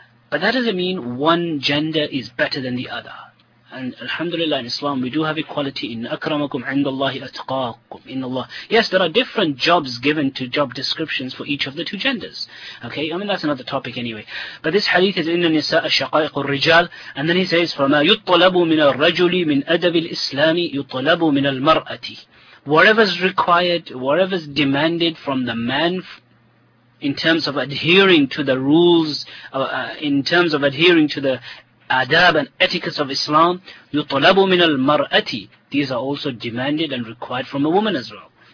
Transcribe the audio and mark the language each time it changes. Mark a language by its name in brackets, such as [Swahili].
[English] But that doesn't mean one gender is better than the other. And alhamdulillah, in Islam, we do have equality. [Arabic] In akramakum indallahi atqakum, [English] in Allah. Yes, there are different jobs given to job descriptions for each of the two genders. Okay, I mean, that's another topic anyway. But this hadith is [Arabic] in nisa'a shaqaiq al-rijal. [English] And then he says, [Arabic] فَمَا يُطْطَلَبُ مِنَ الرَّجُلِ مِنْ أَدَبِ الْإِسْلَامِ يُطْلَبُ مِنَ الْمَرْأَةِ. [English] Whatever's required, whatever's demanded from the man in terms of adhering to the rules, in terms of adhering to the adab and etiquette of Islam, [Arabic] يُطْلَبُ مِنَ الْمَرْأَةِ. [English] These are also demanded and required from a woman as well.